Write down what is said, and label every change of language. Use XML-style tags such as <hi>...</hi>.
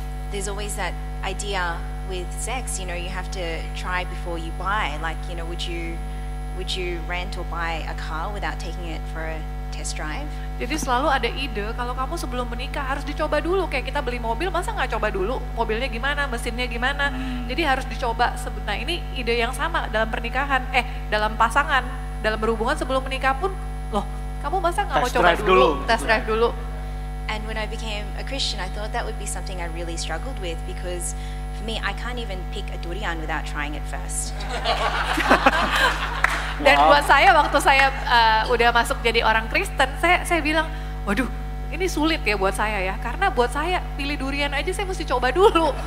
<en>There's always that idea with sex, you know, you have to try before you buy. Like, you know, would you rent or buy a car without taking it for a test drive?</en> <id>Jadi selalu ada ide kalau kamu sebelum menikah harus dicoba dulu, kayak kita beli mobil, masa enggak coba dulu mobilnya gimana, mesinnya gimana. Jadi harus dicoba. Nah, ini ide yang sama dalam pernikahan, dalam pasangan, dalam berhubungan sebelum menikah pun, loh, kamu masa enggak mau coba dulu? Test drive dulu.</id> <en>And when I became a Christian, I thought that would be something I really struggled with because for me I can't even pick a durian without trying it first.</en> <id>Dan wow. Buat saya waktu saya udah masuk jadi orang Kristen, saya bilang, waduh, ini sulit ya buat saya ya, karena buat saya pilih durian aja saya mesti coba dulu.</id>